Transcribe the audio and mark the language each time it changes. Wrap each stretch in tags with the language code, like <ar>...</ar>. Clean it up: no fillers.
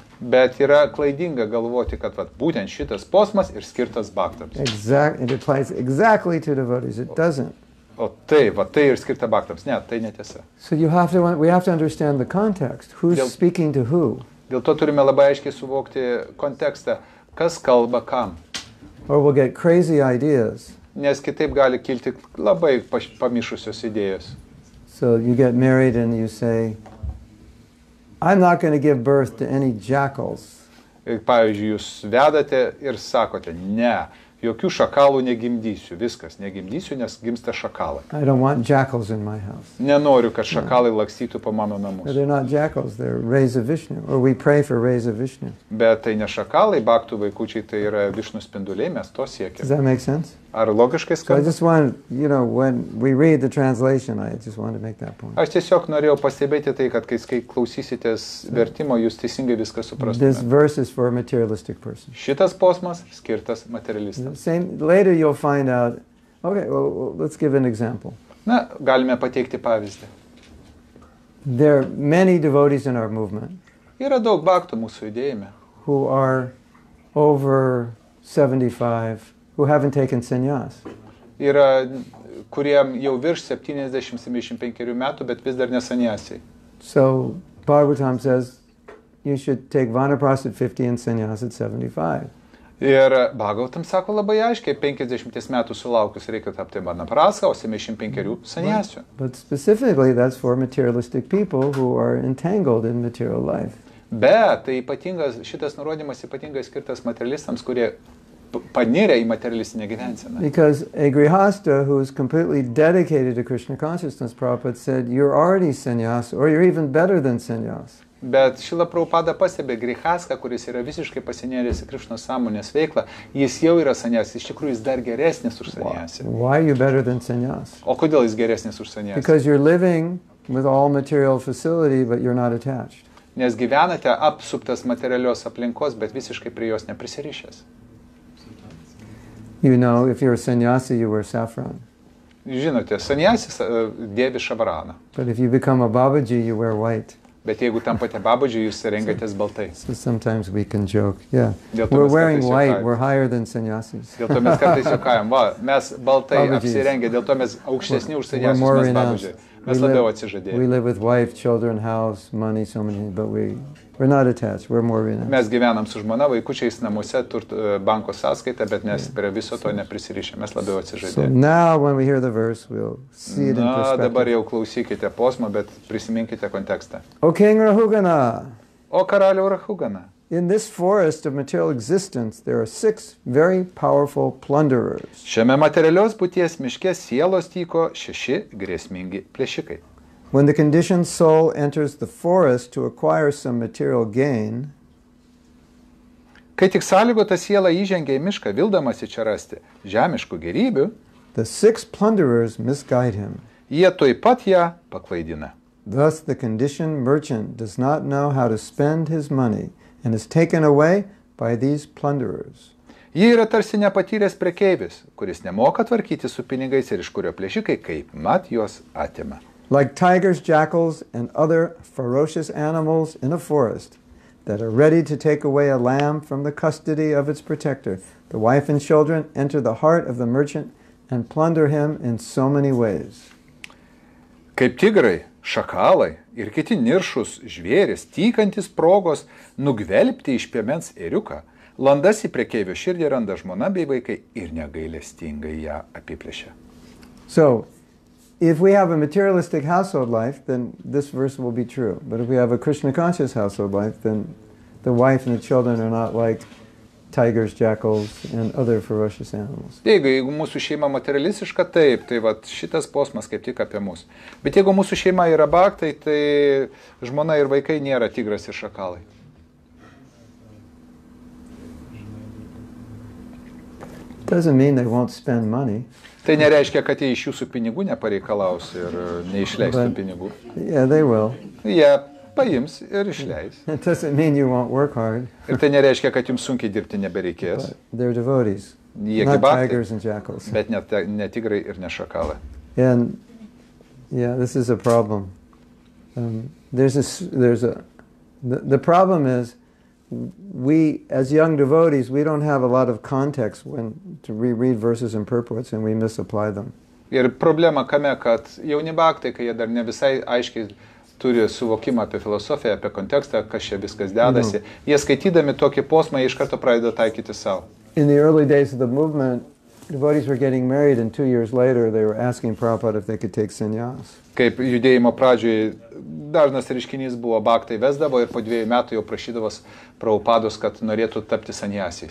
<lt>Bet yra klaidinga galvoti, kad vat, būtent šitas posmas ir skirtas baktams.</lt> <en>Exactly, it applies exactly to devotees, it doesn't.</en> <lt>O tai, va tai ir skirta baktams. Ne, tai netiesa.</lt> <en>So you have to, we have to understand the context, who's speaking to who.</en> <lt>Dėl to turime labai aiškiai suvokti kontekstą, kas kalba kam.</lt> <en>Or we'll get crazy ideas.</en> <lt>Nes kitaip gali kilti labai pamišusios idėjos.</lt> <en>So you get married and you say, I'm not going to give birth to any jackals.</en> <lt>Ir, pavyzdžiui, jūs vedate ir sakote, ne, jokių šakalų negimdysiu, viskas, negimdysiu, nes gimsta šakalai.</lt> <en>I don't want jackals in my house.</en> <lt>Nenoriu, kad šakalai lakstytų po mano namus.</lt> <en>They're not jackals, they're rays of Vishnu, or we pray for rays of Vishnu.</en> <lt>Bet tai ne šakalai, baktų vaikučiai, tai yra Vishnu spinduliai, mes to siekiam.</lt> <en>Does that make sense?</en> <lt>Ar logiškai skamba?</lt> <en>So I just want, you know, when we read the translation, I just want to make that point.</en> <lt>Aš tiesiog norėjau pastebėti tai, kad kai klausysitės vertimo, jūs teisingai viską suprastumėte.</lt> <en>This verse is for a materialistic person.</en> <lt>Šitas posmas skirtas materialistams.</lt> <en>Same, later you'll find out, okay, well, let's give an example.</en> <lt>Na, galime pateikti pavyzdį.</lt> <en>There are many devotees in our movement.</en> <lt>Yra daug baktų mūsų judėjime.</lt> <en>Who are over 75 who haven't taken sannyas.</en> <lt>Yra, kuriem jau virš 70-75 metų, bet vis dar nesanyasi.</lt> <en>So, Bhagavatam says, you should take vanaprasad 50 and sannyas at 75.</en> <lt>Ir Bhagavatam sako labai aiškiai, 50 metų sulaukus reikia tapti vanaprasą, o 75 sanyasiu.</lt> <en>But specifically that's for materialistic people who are entangled in material life.</en> <lt>Bet tai ypatingas, šitas nurodymas ypatingai skirtas materialistams, kurie panirę į materialistinę gyvenseną.</lt> <en>Because a grihasta who is completely dedicated to Krishna consciousness, Prabhupada said, you're already sanyas, or you're even better than sanyas.</en> <lt>Bet Šila Prabhupada pastebė grihaską, kuris yra visiškai pasinėręs į Krishna sąmonės veiklą, jis jau yra sanyas, iš tikrųjų jis dar geresnis už sanyasi.</lt> <en>Why are you better than sanyas?</en> <lt>O kodėl jis geresnis už sanyasi?</lt> <en>Because you're living with all material facility, but you're not attached.</en> <lt>Nes gyvenate apsuptas materialios aplinkos, bet visiškai prie jos neprisirišęs.</lt> <en>You know, if you're a sannyasi, you wear saffron.</en> <lt>Žinote, sannyasis dėvi šavaraną.</lt> <en>But if you become a babaji, you wear white.</en> <lt>Bet jeigu tampate babaji, jūs rengiatės baltai.</lt> <en>So sometimes we can joke, yeah. We're wearing white, we're higher than sannyasis.</en> <lt>Dėl to mes kartais jokavim. Va, mes baltai apsirengę, dėl to mes aukštesni už sannyasis, mes babaji. Mes labiau atsižadėjom.</lt> <en>We live with wife, children, house, money, so many, but we're not attached. We're more renounced.</en> <lt>Mes gyvenam su žmona, vaikučiais, namuose, banko sąskaita, bet mes prie viso to neprisirišę. Mes labiau atsižadėjom.</lt> <en>So now when we hear the verse, we'll see it in perspective.</en> <lt>Na, dabar jau klausykite posmą, bet prisiminkite kontekstą.</lt> <en>O King Rahugana.</en> <lt>O karaliau Rahugana.</lt> <en>In this forest of material existence, there are six very powerful plunderers.</en> <lt>Šiame materialios būties miške sielos tyko šeši grėsmingi plėšikai.</lt> <en>When the conditioned soul enters the forest to acquire some material gain,</en> <lt>kai tik sąlygota siela įžengia į mišką, vildamasi čia rasti žemiškų gėrybių,</lt> <en>the six plunderers misguide him.</en> <lt>Jie tuoj pat ją paklaidina.</lt> <en>Thus the conditioned merchant does not know how to spend his money, and is taken away by these plunderers.</en> <lt>Jie yra tarsi nepatyręs prekeivis, kuris nemoka tvarkyti su pinigais ir iš kurio plėšikai kaip mat juos atima.</lt> <en>Like tigers, jackals, and other ferocious animals in a forest that are ready to take away a lamb from the custody of its protector, the wife and children enter the heart of the merchant and plunder him in so many ways.</en> <lt>Kaip tigrai, šakalai, ir kiti niršus žvėris, tykantis progos, nugvelbti iš piemens ėriuką, landas į prekeivio širdį randa žmona bei vaikai ir negailestingai ją apiplėšia.</lt> <en>So, if we have a materialistic household life, then this verse will be true. But if we have a Krishna conscious household life, then the wife and the children are not like tigers, jackals, and other ferocious animals.</en> <lt>Jeigu mūsų šeima materialistiška, taip, tai vat šitas posmas kaip tik apie mus. Bet jeigu mūsų šeima yra baktai, tai žmona ir vaikai nėra tigras ir šakalai.</lt> <en>Doesn't mean they won't spend money.</en> <lt>Tai nereiškia, kad jie iš jūsų pinigų nepareikalaus ir neišleistų pinigų.</lt> <en>Yeah, they will. Yeah.</en> <lt>Paims ir išleis.</lt> <en>It doesn't mean you won't work hard.</en> <lt>Ir tai nereiškia, kad jums sunkiai dirbti nebereikės.</lt> <en>But they're devotees.</en> <lt>Jie</lt> <en>not gibakti, tigers and jackals.</en> <lt>Bet ne tigrai ir ne šakalai.</lt> <en>And yeah, this is a problem. The problem is we as young devotees, we don't have a lot of context when to reread verses and purports and we misapply them.</en> <lt>Ir problema kame, kad jauni baktai, kai jie dar ne visai aiškiai turi suvokimą apie filosofiją, apie kontekstą, kas čia viskas dedasi. No. Jie skaitydami tokį posmą, jie iš karto pradeda taikyti savo.</lt> <en>In the early days of the movement, devotees were getting married and 2 years later they were asking Prabhupada if they could take sannyas.</en> <lt>Kaip judėjimo pradžioje dažnas reiškinys buvo, baktai vesdavo ir po 2 metų jau prašydavos Prabhupados, kad norėtų tapti sannyasiais.</lt>